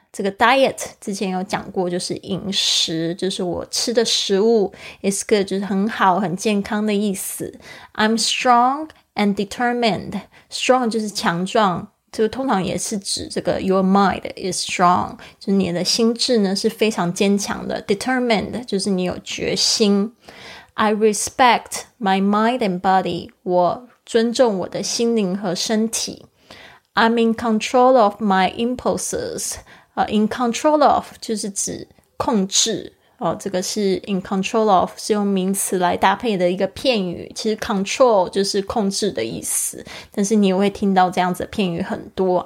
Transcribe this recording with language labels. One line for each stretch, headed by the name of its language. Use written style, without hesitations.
Chinese: 这个 diet 之前有讲过，就是饮食，就是我吃的食物 is good， 就是很好很健康的意思。
English: I'm strong and determined，
Chinese: strong 就是强壮，就通常也是指这个
English: your mind is strong，
Chinese: 就是你的心智呢是非常坚强的。 determined 就是你有决心。
English: I respect my mind and body，
Chinese: 我尊重我的心灵和身体。
English: I'm in control of my impulses， in control of
Chinese: 就是指控制，这个是 in control of， 是用名词来搭配的一个片语，其实 control 就是控制的意思，但是你会听到这样子的片语很多。